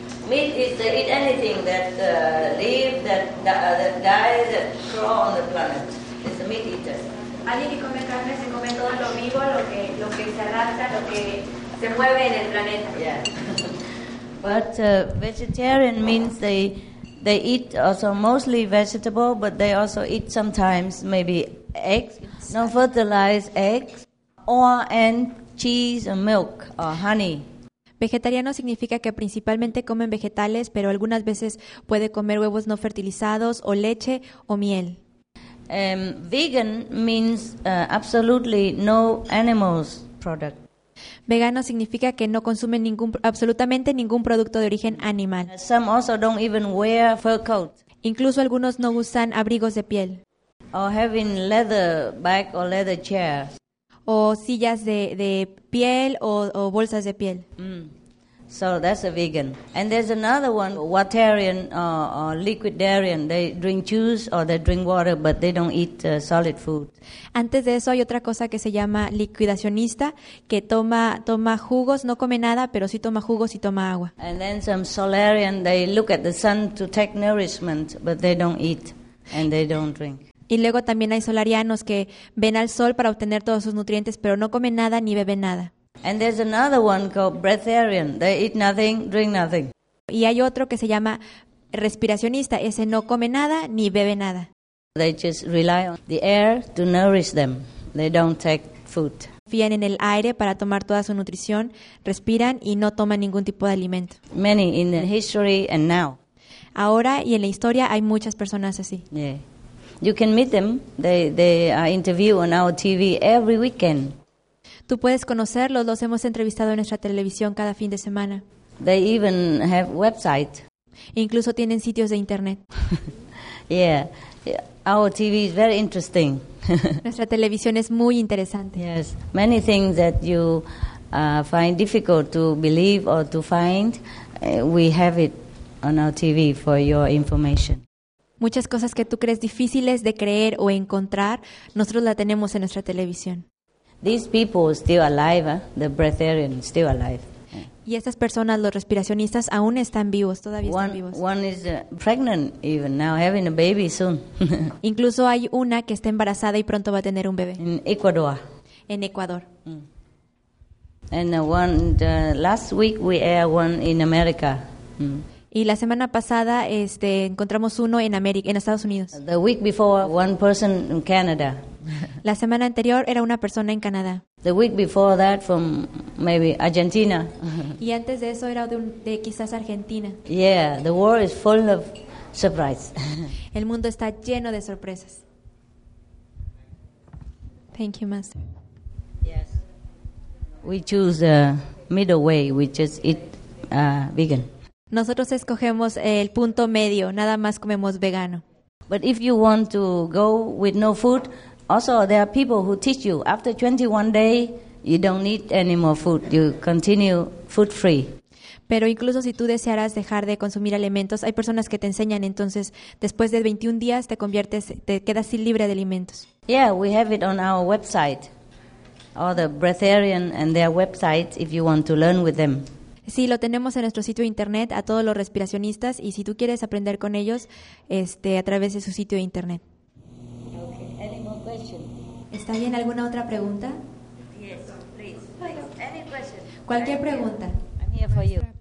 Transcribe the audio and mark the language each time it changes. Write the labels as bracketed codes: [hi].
[en] Meat is to eat anything that live, that die, that crawl on the planet. It's a meat eater. [es] Alguien que come carne se come todo lo vivo, lo que se arrastra, lo que se mueve en el planeta. [en] Yeah. But vegetarian means they eat also mostly vegetable, but they also eat sometimes maybe eggs, non-fertilized eggs, and cheese and milk or honey. [es] Vegetariano significa que principalmente comen vegetales, pero algunas veces puede comer huevos no fertilizados o leche o miel. [en] Vegan means absolutely no animals product. [es] Vegano significa que no consumen absolutamente ningún producto de origen animal. [en] Some also don't even wear fur coat. [es] Incluso algunos no usan abrigos de piel. [en] Or having leather bag or leather chair. [es] O sillas de piel o bolsas de piel. [en] So that's a vegan. And there's another one, waterian or liquidarian. They drink juice or they drink water, but they don't eat solid food. [es] Antes de eso hay otra cosa que se llama liquidacionista, que toma jugos, no come nada, pero sí toma jugos y toma agua. [en] And then some solarian, they look at the sun to take nourishment, but they don't eat and they don't drink. [es] Y luego también hay solarianos que ven al sol para obtener todos sus nutrientes, pero no comen nada ni beben nada. [en] And there's another one called breatharian. They eat nothing, drink nothing. [es] Y hay otro que se llama respiracionista, ese no come nada ni bebe nada. [en] They just rely on the air to nourish them. They don't take food. [es] Confían en el aire para tomar toda su nutrición, respiran y no toman ningún tipo de alimento. [en] Many in the history and now. [es] Ahora y en la historia hay muchas personas así. [en] Yeah. You can meet them. They are interviewed on our TV every weekend. [es] Tú puedes conocerlos, los hemos entrevistado en nuestra televisión cada fin de semana. [en] They even have website. [es] Incluso tienen sitios de internet. [en] Yeah. Our TV is very interesting. [es] Nuestra televisión es muy interesante. [en] Yes. Many things that you find difficult to believe or to find, we have it on our TV for your information. [es] Muchas cosas que tú crees difíciles de creer o encontrar, nosotros la tenemos en nuestra televisión. [en] These people are still alive, the breatharians still alive. [es] Y estas personas, los respiracionistas, aún están vivos, todavía están vivos. [en] One is pregnant even now, having a baby soon. [es] Incluso hay una que está embarazada y pronto va a tener un bebé. [en] In Ecuador. [es] En Ecuador. Mm. [en] And last week we aired one in America. Mm. [es] Y la semana pasada encontramos uno en América, en Estados Unidos. [en] The week before, one person in Canada. [es] La semana anterior era una persona en Canadá. [en] The week before that from maybe Argentina. [es] Y antes de eso era de quizás Argentina. [en] Yeah, the world is full of surprises. [es] El mundo está lleno de sorpresas. [en] Thank you, Master. Yes. We choose the middle way. We just eat vegan. [es] Nosotros escogemos el punto medio. Nada más comemos vegano. [en] But if you want to go with no food, also there are people who teach you. After 21 days, you don't need any more food. You continue food free. [es] Pero incluso si tú desearas dejar de consumir alimentos, hay personas que te enseñan. Entonces, después de 21 días, te quedas libre de alimentos. [en] Yeah, we have it on our website. All the breatharian and their websites, if you want to learn with them. [es] Sí, lo tenemos en nuestro sitio de internet a todos los respiracionistas y si tú quieres aprender con ellos, a través de su sitio de internet. [en] Okay. Any more questions? [es] ¿Está bien? ¿Alguna otra pregunta? [en] Yes, please. Any questions? [es] Cualquier pregunta. [en] I'm here for you.